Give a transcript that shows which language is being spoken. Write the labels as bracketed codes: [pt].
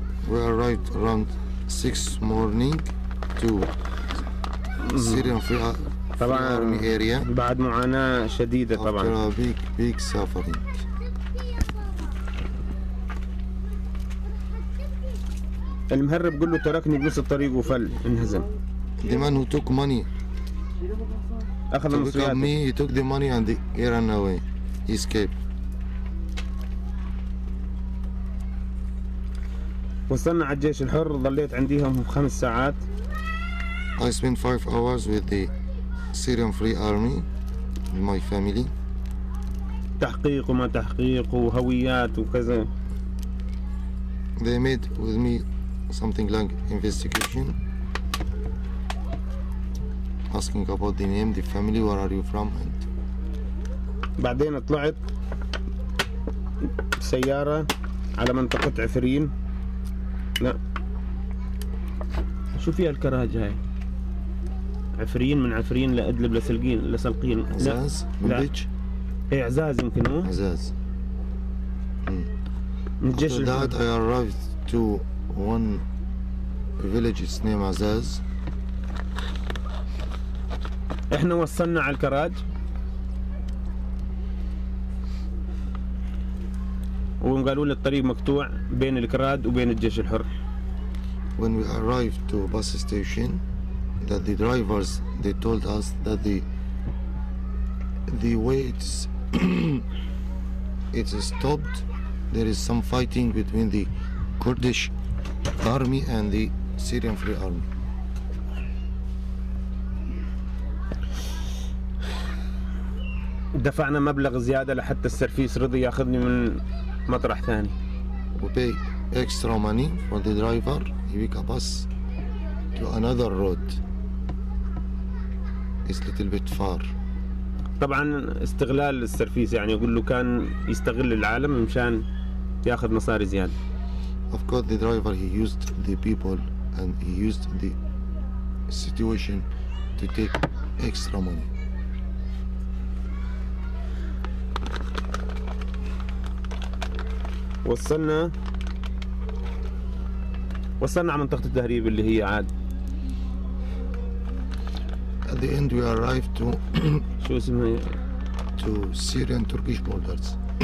[en] We arrived around 6 morning to Syrian Free Army area. [ar] بعد معاناة شديدة طبعا. [en] After a big, big suffering. [ar] المهرب قل له تركني بنص الطريق وفل انهزم. [en] The man who took money. [ar] أخذ المصريات. [en] Me, he took the money and he ran away. He escaped. [ar] وصلنا على الجيش الحر ظليت عنديهم خمس ساعات. [en] I spent 5 hours with the Syrian Free Army, with my family. [ar] تحقيق وما تحقيق وهويات وكذا. [en] They made with me. Something like investigation, asking about the name, the family, where are you from, and. [ar] بعدين طلعت سيارة على منطقة عفرين. لا. شو فيها الكراج هاي؟ عفرين من عفرين لأدلب لسلقين لسلقين. عزاز. لا. من بيتش. إيه عزاز يمكن هو. عزاز. [en] After that, I arrived to one. The village is named Azaz. [ar] احنا وصلنا على الكراج وقالوا لي الطريق مقطوع بين الكراج وبين الجيش الحر. [en] When we arrived to bus station, that the drivers they told us that the way it's stopped, there is some fighting between the Kurdish army and the Syrian Free Army. [ar] دفعنا مبلغ زيادة لحتى السرفيس رضي ياخذني من مطرح ثاني. [en] We pay extra money for the driver. He pick up us to another road. It's a little bit far. [ar] طبعا استغلال السرفيس يعني أقول له كان يستغل العالم مشان ياخذ مصاري زيادة. [en] Of course, the driver he used the people. And he used the situation to take extra money. [ar] وصلنا على منطقة التهريب اللي هي عاد. [en] at the end we arrived to to Syrian Turkish borders.